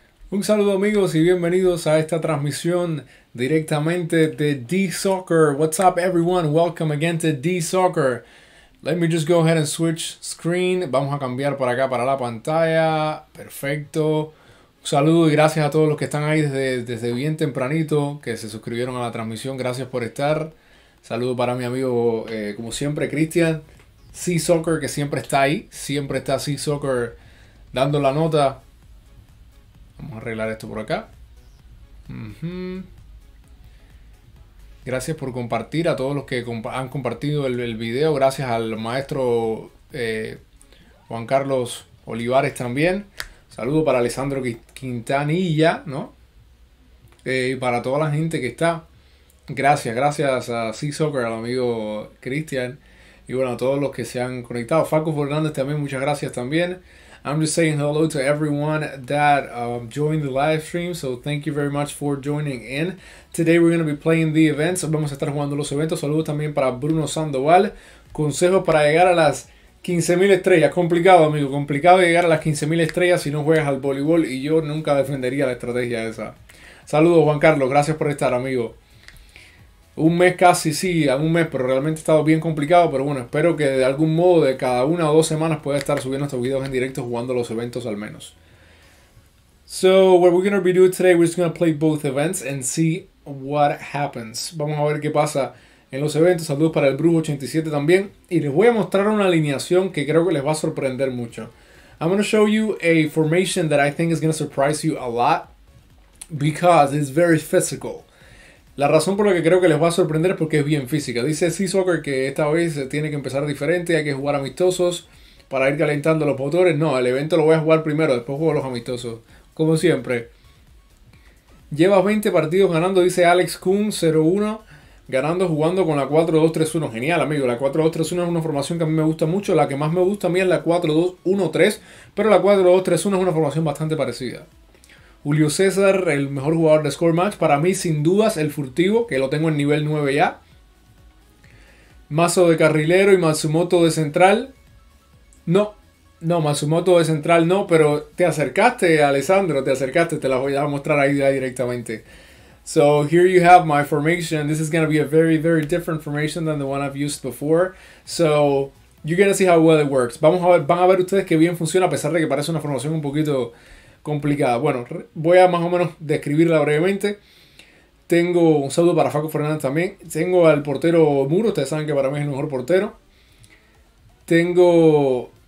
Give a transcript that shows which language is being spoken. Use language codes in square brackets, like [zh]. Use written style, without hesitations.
[es] Un saludo amigos y bienvenidos a esta transmisión directamente de D-Soccer. [en] What's up everyone? Welcome again to D-Soccer. Let me just go ahead and switch screen. [es] Vamos a cambiar para acá, para la pantalla. Perfecto. Un saludo y gracias a todos los que están ahí desde bien tempranito, que se suscribieron a la transmisión. Gracias por estar. Saludo para mi amigo, como siempre, Cristian. C-Soccer, que siempre está ahí. Siempre está C-Soccer dando la nota. Vamos a arreglar esto por acá. Gracias por compartir a todos los que han compartido el video. Gracias al maestro Juan Carlos Olivares también. Saludo para Alessandro Quintanilla, ¿no? Y para toda la gente que está. Gracias a C-Soccer, al amigo Cristian. Y bueno, a todos los que se han conectado. Facu Fernández también, muchas gracias también. [en] I'm just saying hello to everyone that joined the live stream, so thank you very much for joining in. Today we're going to be playing the events. [es] Vamos a estar jugando los eventos. Saludos también para Bruno Sandoval. Consejo para llegar a las 15.000 estrellas. Complicado, amigo. Complicado llegar a las 15.000 estrellas si no juegas al voleibol. Y yo nunca defendería la estrategia esa. Saludos, Juan Carlos. Gracias por estar, amigo. Un mes casi, sí, un mes, pero realmente ha estado bien complicado. Pero bueno, espero que de algún modo, de cada una o dos semanas, pueda estar subiendo estos videos en directo jugando los eventos al menos. [en] So, what we're going to be doing today, we're just going to play both events and see what happens. [es] Vamos a ver qué pasa en los eventos. Saludos para el Brujo 87 también. Y les voy a mostrar una alineación que creo que les va a sorprender mucho. [en] I'm going to show you a formation that I think is going to surprise you a lot because it's very physical. [es] La razón por la que creo que les va a sorprender es porque es bien física. Dice C-Soccer que esta vez se tiene que empezar diferente, hay que jugar amistosos para ir calentando los motores. No, el evento lo voy a jugar primero, después juego los amistosos, como siempre. Llevas 20 partidos ganando, dice Alex Kuhn 01, ganando jugando con la 4-2-3-1. Genial, amigo, la 4-2-3-1 es una formación que a mí me gusta mucho. La que más me gusta a mí es la 4-2-1-3, pero la 4-2-3-1 es una formación bastante parecida. Julio César, el mejor jugador de Score Match. Para mí, sin dudas, el furtivo, que lo tengo en nivel 9 ya. Mazo de carrilero y Matsumoto de central. No, Matsumoto de central no, pero te acercaste, Alessandro, te acercaste. Te la voy a mostrar ahí ya directamente. [en] So, here you have my formation. This is going to be a very, very different formation than the one I've used before. So, you're going to see how well it works. [es] Vamos a ver, van a ver ustedes qué bien funciona, a pesar de que parece una formación un poquito complicada. Bueno, voy a más o menos describirla brevemente. Tengo un saludo para Facu Fernández también. Tengo al portero Muro. Ustedes saben que para mí es el mejor portero. Tengo...